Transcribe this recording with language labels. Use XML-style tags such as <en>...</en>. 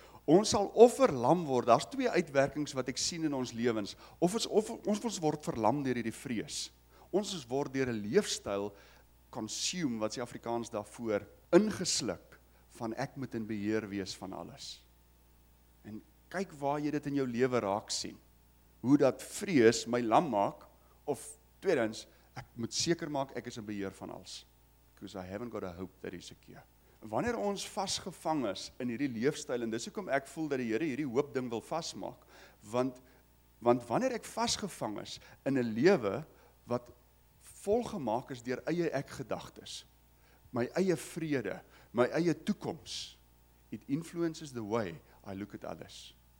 <af>Ons sal of verlam word, daar's twee uitwerkings wat ek sien in ons lewens, of ons word verlam deur hierdie vrees. Ons word deur 'n leefstyl, consume, wat se Afrikaans daarvoor, ingesluk van ek moet in beheer wees van alles. En kyk waar jy dit in jou lewe raak sien. Hoe dat vrees my lam maak, of tweedens, ek moet seker maak ek is in beheer van alles.</af> <en>Because I haven't got a hope that is secure.</en> <af>Wanneer ons vasgevang is in hierdie leefstyl, en dis hoekom ek voel dat die Here hierdie hoop ding wil vasmaak, want wanneer ek vasgevang is in 'n lewe wat volgemaak is deur eie ek-gedagtes, my eie vrede, my eie toekoms,</af> <en>it influences the way I look at others.</en>